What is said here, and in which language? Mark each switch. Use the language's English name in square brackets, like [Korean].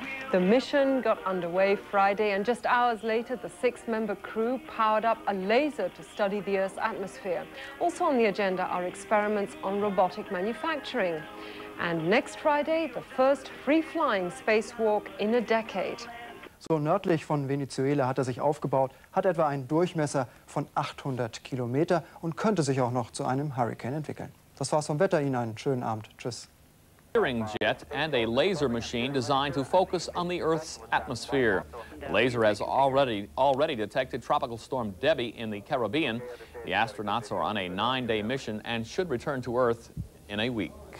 [English] The mission got underway Friday, and just hours later, the 6-member crew powered up a laser to study the Earth's atmosphere. Also on the agenda are experiments on robotic manufacturing. And next Friday, the first free-flying spacewalk in a decade. [German] So nördlich von Venezuela hat er sich aufgebaut, hat etwa einen Durchmesser von 800 Kilometer und könnte sich auch noch zu einem Hurrikan entwickeln. Das war's vom Wetter. Ihnen einen schönen Abend. Tschüss. [English] Steering jet and a laser machine designed to focus on the Earth's atmosphere. The laser has already detected Tropical Storm Debbie in the Caribbean. The astronauts are on a 9-day mission and should return to Earth in a week.